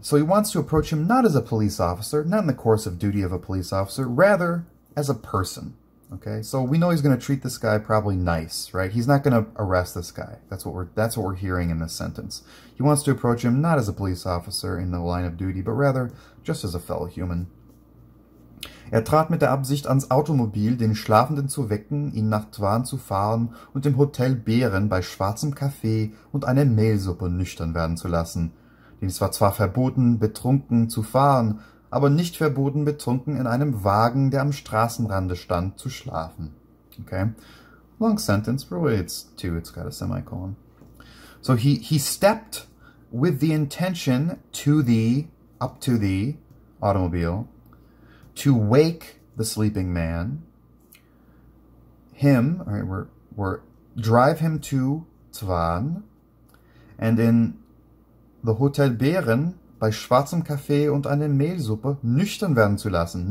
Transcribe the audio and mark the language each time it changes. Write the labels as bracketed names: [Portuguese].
[English] So he wants to approach him not as a police officer, not in the course of duty of a police officer, rather as a person. Okay, so we know he's going to treat this guy probably nice, right? He's not going to arrest this guy. That's what we're hearing in this sentence. He wants to approach him not as a police officer in the line of duty, but rather just as a fellow human. [German] Trat mit der Absicht ans Automobil, den Schlafenden zu wecken, ihn nach Twan zu fahren und dem Hotel Bären bei schwarzem Kaffee und einer Mehlsuppe nüchtern werden zu lassen. Denn es war zwar verboten, betrunken zu fahren, aber nicht verboten, betrunken in einem Wagen, der am Straßenrande stand, zu schlafen. [English] Okay? Long sentence, but it's got a semicolon. So he stepped with the intention to the, up to the automobile. To wake the sleeping man, him, all right, we're drive him to Zwan, and in the Hotel Bären, [German] bei schwarzem Kaffee und einer Mehlsuppe, nüchtern werden zu lassen.